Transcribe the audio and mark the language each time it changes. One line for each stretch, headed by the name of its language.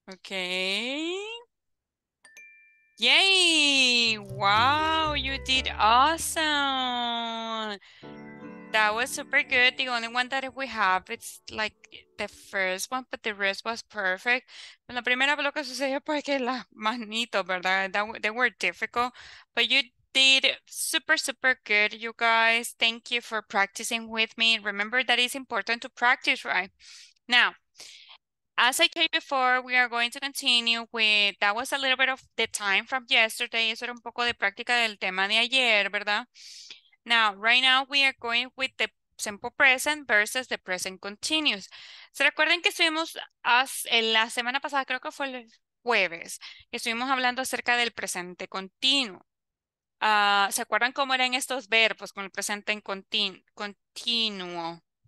English: Okay. Yay! Wow, you did awesome. That was super good. The only one that we have, it's like the first one, but the rest was perfect.
Spanish: La primera lo que sucedió porque la manito, ¿verdad?
English: They were difficult, but you did super, super good, you guys. Thank you for practicing with me. Remember that it's important to practice, right? Now, as I told you before, we are going to continue with, that was a little bit of the time from yesterday.
Spanish: Eso era un poco de práctica del tema de ayer, ¿verdad?
English: Now, right now, we are going with the simple present versus the present continuous.
Spanish: ¿Se recuerdan que estuvimos en la semana pasada, creo que fue el jueves, que estuvimos hablando acerca del presente continuo? ¿Se acuerdan cómo eran estos verbos con el presente en continuo?